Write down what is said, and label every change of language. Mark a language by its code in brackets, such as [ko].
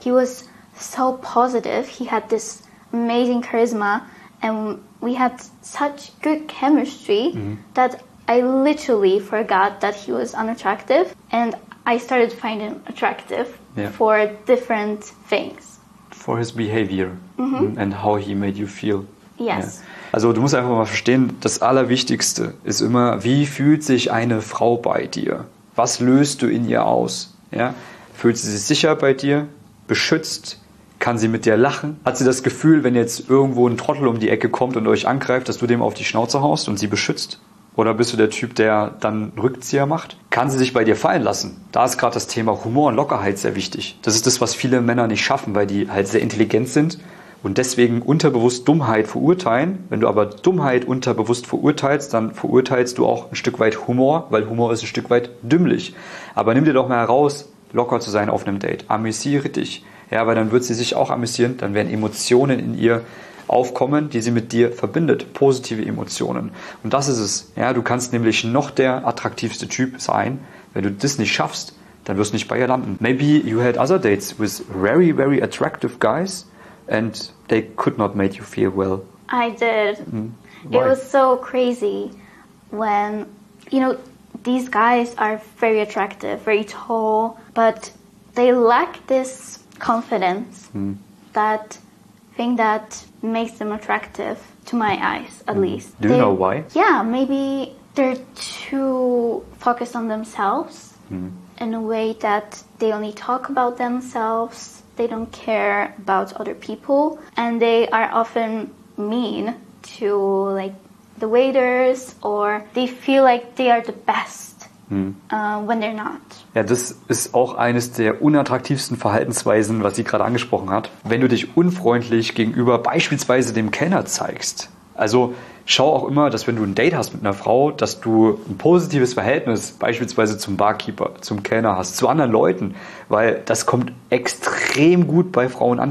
[en] He was so positive. He had this amazing charisma. And we had such good chemistry that I literally forgot that he was unattractive. And I started finding him attractive for different things. For his behavior and how he made you feel. Yes. Ja. [de] Also du musst einfach mal verstehen, das Allerwichtigste ist immer, wie fühlt sich eine Frau bei dir? Was löst du in ihr aus? Ja? Fühlt sie sich sicher bei dir? Beschützt? Kann sie mit dir lachen? Hat sie das Gefühl, wenn jetzt irgendwo ein Trottel um die Ecke kommt und euch angreift, dass du dem auf die Schnauze haust und sie beschützt? Oder bist du der Typ, der dann Rückzieher macht? Kann sie sich bei dir fallen lassen? Da ist gerade das Thema Humor und Lockerheit sehr wichtig. Das ist das, was viele Männer nicht schaffen, weil die halt sehr intelligent sind und deswegen unterbewusst Dummheit verurteilen. Wenn du aber Dummheit unterbewusst verurteilst, dann verurteilst du auch ein Stück weit Humor, weil Humor ist ein Stück weit dümmlich. Aber nimm dir doch mal heraus, locker zu sein auf einem Date. Amüsiere dich. Ja, weil dann wird sie sich auch amüsieren, dann werden Emotionen in ihr aufkommen, die sie mit dir verbindet, positive Emotionen. Und das ist es. Ja, du kannst nämlich noch der attraktivste Typ sein. Wenn du das nicht schaffst, dann wirst du nicht bei ihr landen. [en] Maybe you had other dates with very, very attractive guys and they could not make you feel well. I did. Why? It was so crazy when, you know, these guys are very attractive, very tall, but they lack this confidence, that thing that makes them attractive to my eyes, at least. Do you know why? Yeah, maybe they're too focused on themselves in a way that they only talk about themselves. They don't care about other people. And they are often mean to, like, the waiters, or they feel like they are the best. When they're not. [de] Ja, das ist auch eines der unattraktivsten Verhaltensweisen, was sie gerade angesprochen hat. Wenn du dich unfreundlich gegenüber beispielsweise dem Kellner zeigst, also schau auch immer, dass wenn du ein Date hast mit einer Frau, dass du ein positives Verhältnis beispielsweise zum Barkeeper, zum Kellner hast, zu anderen Leuten, weil das kommt extrem gut bei Frauen an.